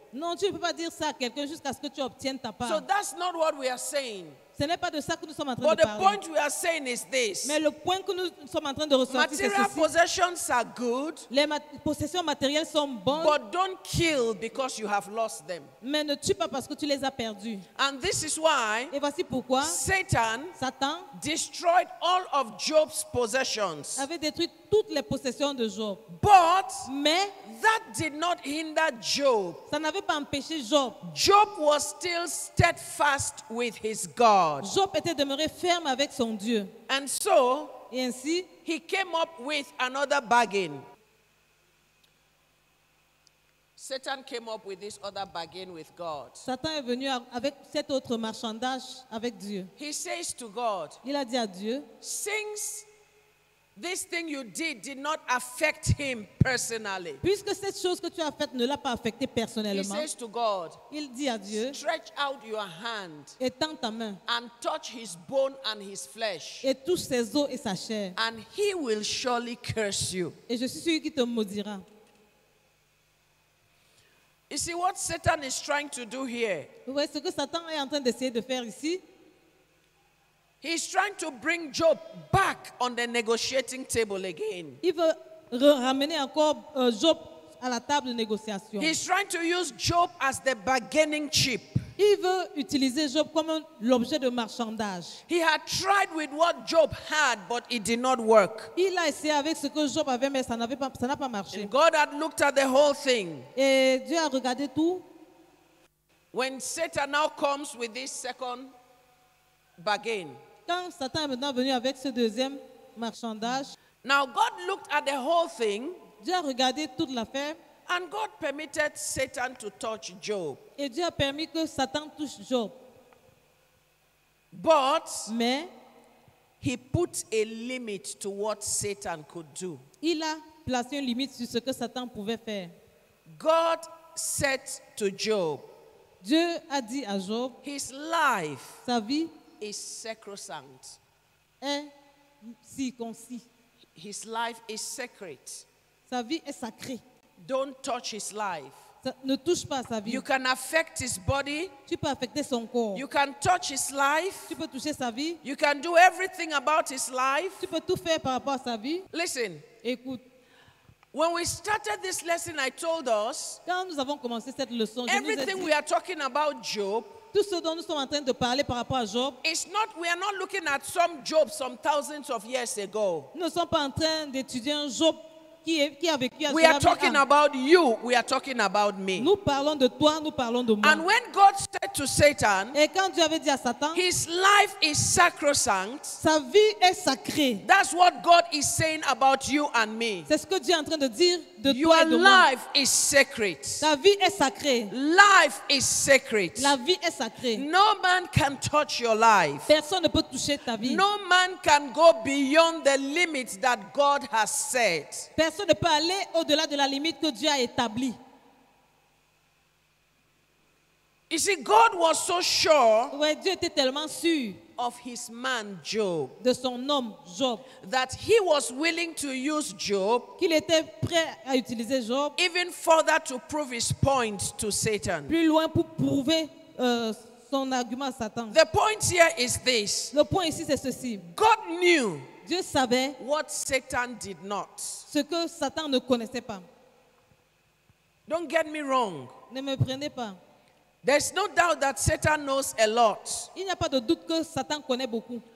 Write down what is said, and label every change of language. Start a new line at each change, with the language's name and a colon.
French: Non, tu ne peux pas dire ça à quelqu'un jusqu'à ce que tu obtiennes ta part.
English: So that's not what we are saying.
French: Ce n'est pas de ça que nous sommes en train
English: but
French: de parler.
English: The point we are saying is this.
French: Mais le point que nous sommes en train de ressortir,
English: material
French: c'est ceci.
English: Material possessions are good.
French: Les possessions matérielles sont bonnes.
English: But don't kill because you have lost them.
French: Mais ne tue pas parce que tu les as perdues.
English: And this is why.
French: Et voici pourquoi. Satan
English: destroyed all of Job's possessions.
French: Avait détruit toutes les possessions de Job.
English: But
French: mais
English: that did not hinder Job.
French: Ça n'avait pas empêché Job.
English: Job was still steadfast with his God.
French: Job était demeuré ferme avec son Dieu.
English: And so,
French: et ainsi,
English: he came up with another bargain. Satan came up with this other bargain with God.
French: Satan est venu avec cet autre marchandage avec Dieu.
English: He says to God,
French: il a dit à Dieu,
English: since This thing you did not affect him personally.
French: Puisque cette chose que tu as faite ne l'a pas affecté personnellement.
English: He says to God,
French: il dit à Dieu,
English: stretch out your hand,
French: étends ta main,
English: and touch his bone and his flesh,
French: et touche ses os et sa chair,
English: and he will surely curse you.
French: Et je suis celui qui te maudira.
English: You see what Satan is trying to do here?
French: Vous voyez ce que Satan est en train d'essayer de faire ici?
English: He's trying to bring Job back on the negotiating table again.
French: Il veut ramener encore Job à la table de négociation.
English: He's trying to use Job as the bargaining chip.
French: Il veut utiliser Job comme l'objet de marchandage.
English: He had tried with what Job had, but it did not work.
French: Il a essayé avec ce que Job avait, mais ça n'a pas marché.
English: And God had looked at the whole thing.
French: Et Dieu a regardé tout.
English: When Satan now comes with this second bargain.
French: Quand Satan est maintenant venu avec ce deuxième marchandage.
English: Now God looked at the whole thing.
French: Dieu a regardé toute l'affaire.
English: And God permitted Satan to touch Job.
French: Et Dieu a permis que Satan touche Job.
English: But
French: mais
English: he put a limit to what Satan could do.
French: Il a placé une limite sur ce que Satan pouvait faire.
English: God said to Job.
French: Dieu a dit à Job.
English: His life.
French: Sa vie
English: is sacrosanct.
French: Est circoncis.
English: His life is sacred.
French: Sa vie est sacrée.
English: Don't touch his life.
French: Ne touche pas sa vie.
English: You can affect his body.
French: Tu peux affecter son corps.
English: You can touch his life.
French: Tu peux toucher sa vie.
English: You can do everything about his life.
French: Tu peux tout faire par rapport à sa vie.
English: Listen.
French: Écoute.
English: When we started this lesson, I told us.
French: Quand nous avons commencé cette leçon,
English: everything we are talking about Job.
French: Tout ce dont nous sommes en train de parler par rapport à Job.
English: It's not, we are not looking at some Job some thousands of years ago.
French: Nous ne sommes pas en train d'étudier un Job. Qui a vécu
English: we are talking about you. We are talking about me.
French: Nous parlons de toi, nous parlons de moi.
English: And when God said to Satan,
French: et quand Dieu avait dit à Satan,
English: his life is sacrosanct.
French: Sa vie est sacrée.
English: That's what God is saying about you and me.
French: C'est ce que Dieu est en train de dire de
English: your
French: toi et de moi.
English: Your life is sacred.
French: Ta vie est sacrée.
English: Life is sacred.
French: La vie est sacrée.
English: No man can touch your life.
French: Personne ne peut toucher ta vie.
English: No man can go beyond the limits that God has set.
French: Personne ne peut aller au-delà de la limite que Dieu a établie.
English: You see, God was so sure.
French: Ouais, Dieu était tellement sûr
English: of his man Job.
French: De son homme Job.
English: That he was willing to use Job.
French: Qu'il était prêt à utiliser Job.
English: Even further to prove his point to Satan.
French: Plus loin pour prouver son argument à Satan.
English: The point here is this.
French: Le point ici c'est ceci.
English: God knew.
French: Dieu savait
English: what Satan did not.
French: Ce que Satan ne connaissait pas.
English: Don't get me wrong.
French: Ne me prenez pas.
English: There's no doubt that Satan knows a lot.
French: Il n'y a pas de doute que Satan connaît beaucoup.